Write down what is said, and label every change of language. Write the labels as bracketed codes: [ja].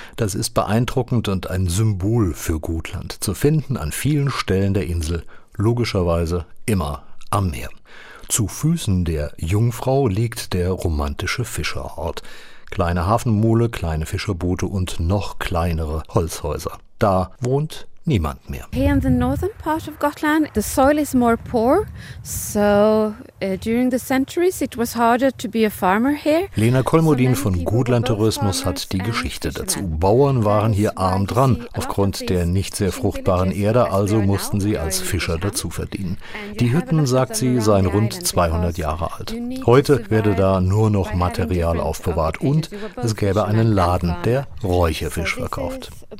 [de] Das ist beeindruckend und ein Symbol für Gotland. Zu finden an vielen Stellen der Insel, logischerweise immer am Meer. Zu Füßen der Jungfrau liegt der romantische Fischerort. Kleine Hafenmole, kleine Fischerboote und noch kleinere Holzhäuser. Da wohnt niemand mehr. [en] Here in the northern part of Gotland, the soil is more poor, so during the centuries it was harder to be a farmer here. [de] Lena Kolmodin von Gotland Tourismus hat die Geschichte dazu. Bauern waren hier arm dran, aufgrund der nicht sehr fruchtbaren Erde, also mussten sie als Fischer dazu verdienen. Die Hütten, sagt sie, seien rund 200 Jahre alt. Heute werde da nur noch Material aufbewahrt und es gäbe einen Laden, der Räucherfisch verkauft.